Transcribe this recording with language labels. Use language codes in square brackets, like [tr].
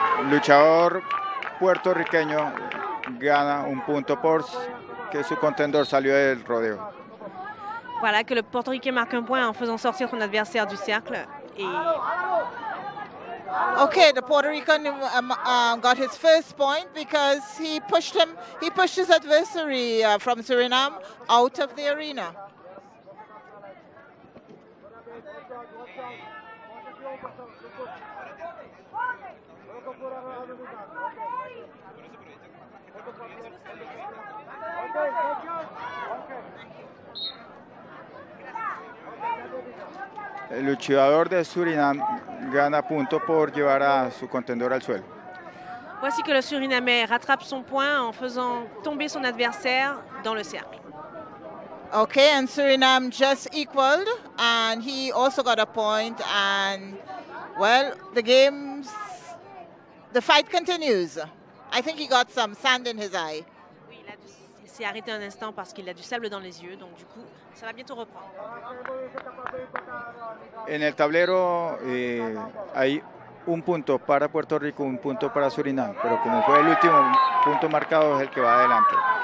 [es] Luchador puertorriqueño gana un punto por que su contendor salió del rodeo. [fr] Voilà que le portoricain marque un point en faisant sortir son adversaire du cercle et... [en] Okay, the Puerto Rican got his first point because he pushed his adversary from Suriname out of the arena. [es] El luchador de Suriname gana punto por llevar a su contendor al suelo. [fr] Voici que le Surinamais rattrape son point en faisant tomber son adversaire dans le cercle. [en] Okay, and Suriname just equaled, and he also got a point, and well, the fight continues. I think he got some sand in his eye. [fr] Oui, il s'est arrêté un instant parce qu'il a du sable dans les yeux, donc du coup, ça va bientôt reprendre. [es] En el tablero hay un punto para Puerto Rico, un punto para Surinam, pero como fue el último punto marcado es el que va adelante.